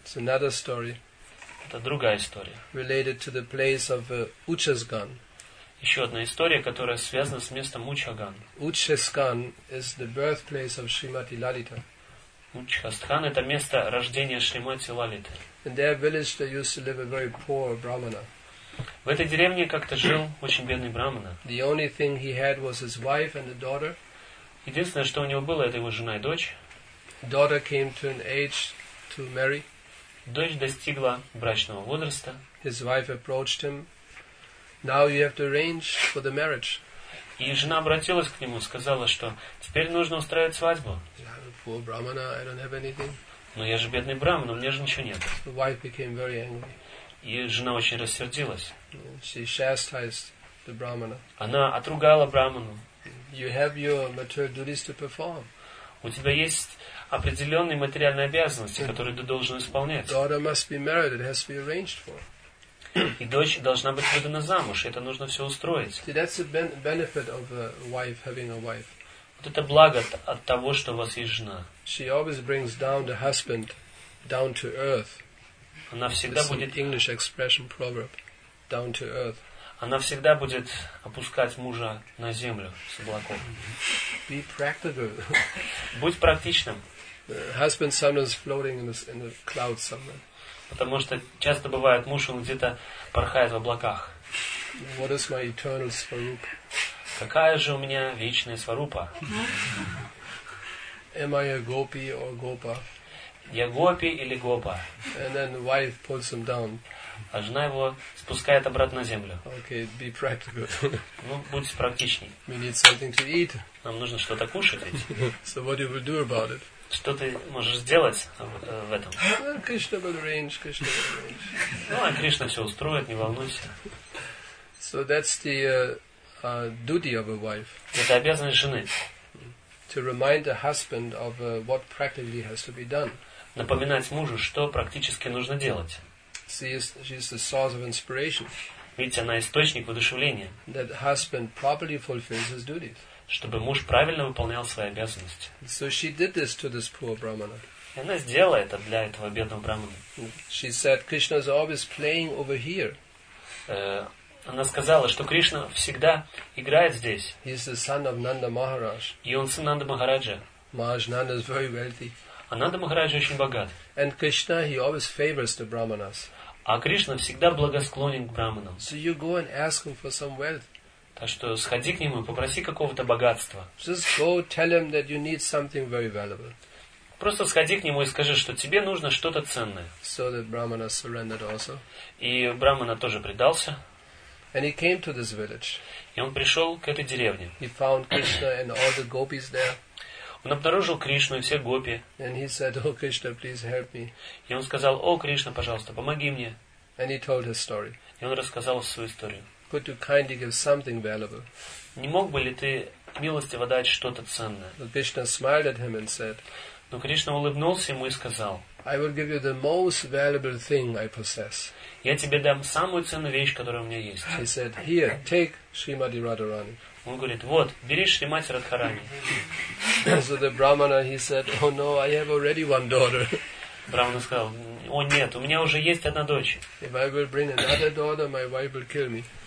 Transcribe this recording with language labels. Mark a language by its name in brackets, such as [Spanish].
[English] It's another story. [Russian] Это другая история. [English] Related to the place of Uchasgan. [Russian] Еще одна история, которая связана с местом Учхасган. [English] Учхасган is the birthplace of Shrimati Lalita. [Russian] Учхасган — это место рождения Шримати Лалиты. [English] In their village there used to live a very poor brahmana. [Russian] В этой деревне как-то жил очень бедный брахмана. [English] The only thing he had was his wife and a daughter. [Russian] Единственное, что у него было, это его жена и дочь. [English] Daughter came to an age to marry. [Russian] Дочь достигла брачного возраста. [English] His wife approached him. Now you have to arrange for the marriage. [Russian] И жена обратилась к нему, сказала, что теперь нужно устраивать свадьбу. [English] I'm a poor brahmana, I don't have anything. [Russian] Но я же бедный брахман, у меня же ничего нет. [English] The wife became very angry. [Russian] И жена очень рассердилась. [English] She chastised the brahmana. [Russian] Она отругала брахману. [English] You have your material duties to perform. [Russian] У тебя есть определенные материальные обязанности, которые ты должен исполнять. [English] Daughter must be married, it has to be arranged for. [Russian] И дочь должна быть выдана замуж, и это нужно все устроить. [English] See, that's a benefit of a wife having a wife. [Russian] Вот это благо от того, что у вас есть жена. [English] She always brings down the husband down to earth. [Russian] Она всегда будет [English] English expression proverb down to earth. [Russian] она всегда будет опускать мужа на землю с облаков. [English] Be practical. [Russian] Будь практичным. [English] Husband sometimes floating in the clouds somewhere. [Russian] Потому что часто бывает, муж он где-то порхает в облаках. [English] What is my eternal svarupa? [Russian] Какая же у меня вечная сварупа? [English] Am I a gopi or gopa? [Russian] Я гопи или гопа? [English] And then wife pulls him down. [Russian] А жена его спускает обратно на землю. [English] Okay, be practical. [Russian] Ну, будь практичней. [English] We need something to eat. [Russian] Нам нужно что-то кушать ведь. [English] So what you will do about it? [Russian] Что ты можешь сделать в этом? [English] Кришна will arrange, Кришна will arrange. [Russian] Ну, а Кришна все устроит, не волнуйся. [English] So that's the duty of a wife. [Russian] Это обязанность жены. [English] To remind the husband of what practically has to be done. [Russian] Напоминать мужу, что практически нужно делать. [English] She is the source of inspiration. [Russian] Видите, она источник воодушевления. [English] That husband properly fulfills his duties. [Russian] Чтобы муж правильно выполнял свои обязанности. [English] So she did this to this poor brahmana. [Russian] И она сделала это для этого бедного брахмана. [English] She said, Krishna is always playing over here. [Russian] Она сказала, что Кришна всегда играет здесь. [English] He is the son of Nanda Maharaj. [Russian] И он сын Нанда Махараджа. [English] Maharaj Nanda is very wealthy. [Russian] А Нанда Махараджа очень богат. [English] And Krishna, he always favors the brahmanas. [Russian] А Кришна всегда благосклонен к брахманам. [English] So you go and ask him for some wealth. [Russian] Так что сходи к нему и попроси какого-то богатства. [English] Just go tell him that you need something very valuable. [Russian] Просто сходи к нему и скажи, что тебе нужно что-то ценное. [English] So the brahmana surrendered also. [Russian] И брахмана тоже предался. [English] And he came to this village. [Russian] И он пришел к этой деревне. [English] He found Krishna and all the gopis there. [Russian] Он обнаружил Кришну и все гопи. [English] And he said, "Oh Krishna, please help me." [Russian] И он сказал: "О Кришна, пожалуйста, помоги мне." [English] And he told his story. [Russian] И он рассказал свою историю. [English] Could you kindly give something valuable? [Russian] Не мог бы ли ты милостиво дать что-то ценное? [English] But Krishna smiled at him and said. [Russian] Но Кришна улыбнулся ему и сказал: [English] I will give you the most valuable thing I possess. [Russian] Я тебе дам самую ценную вещь, которая у меня есть. [English] He said, "Here, take Srimati Radharani." [Russian] Он говорит: "Вот, бери Шримати Радхарани." [English] So the brahmana, he said, "Oh no, I have already one daughter." [Russian] Брахмана сказал: "О нет, у меня уже есть одна дочь." [English] If I will bring another daughter, my wife will kill me.